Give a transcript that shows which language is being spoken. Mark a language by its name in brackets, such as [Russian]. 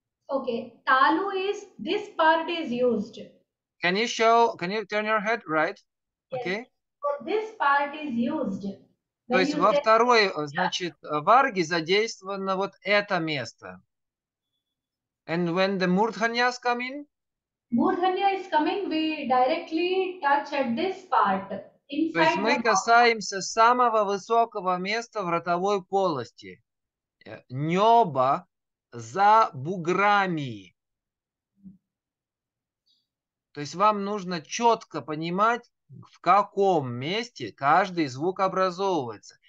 [English] Okay, talu is, this part is used. Can you turn your head right? Yes. Okay. So this part is used. [Russian] То есть во второй, значит, варги задействовано вот это место. [English] And when the murdhanyas come in? Murdhanya is coming, we directly touch at this part. [Russian] То есть мы касаемся самого высокого места в ротовой полости. Нёба. За буграми. То есть вам нужно четко понимать, в каком месте каждый звук образовывается.